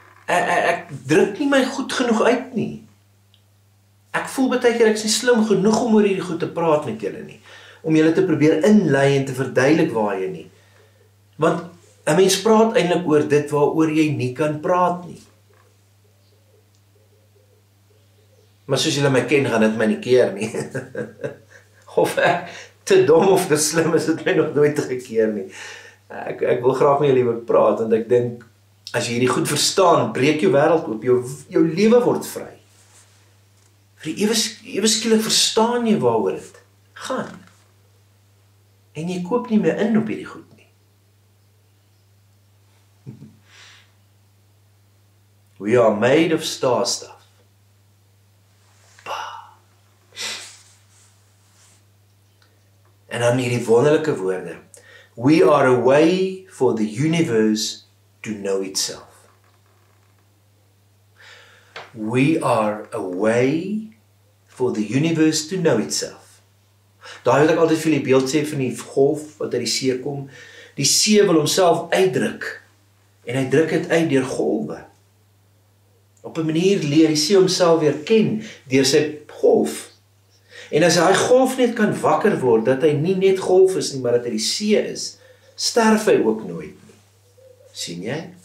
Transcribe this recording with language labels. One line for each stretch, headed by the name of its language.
Afrikaans: Ek druk nie my goed genoeg uit nie. Ek voel baie keer, ek is nie slim genoeg om oor hierdie goed te praat met julle nie, om julle te probeer inlei en te verduidelik waar jy nie. Want Een mens praat eindelijk oor dit waaroor jy nie kan praat nie. Maar soos julle my ken, gaan dit my nie keer nie. Of ek te dom of te slim is, het my nog nooit gekeer nie. Ek wil graag met julle oor praat, want ek dink, as jy hierdie goed verstaan, breek jou wereld op, jou lewe word vry. Vir die eweskielik verstaan jy waaroor dit gaan. En jy koop nie meer in op hierdie goed.
English: We are made of star stuff. Bah.
Afrikaans: En dan hierdie wonderlike woorde.
English: We are a way for the universe to know itself. We are a way for the universe to know itself.
Afrikaans: Daar wil ek altyd vir die beeld sê van die golf wat uit die see kom. Die see wil homself uitdruk. En hy druk het uit deur golwe. Op een manier leer die see homself weer ken deur sy golf. En as hy golf net kan wakker word, dat hy nie net golf is nie, maar dat hy die see is, sterf hy ook nooit nie. Sien jy?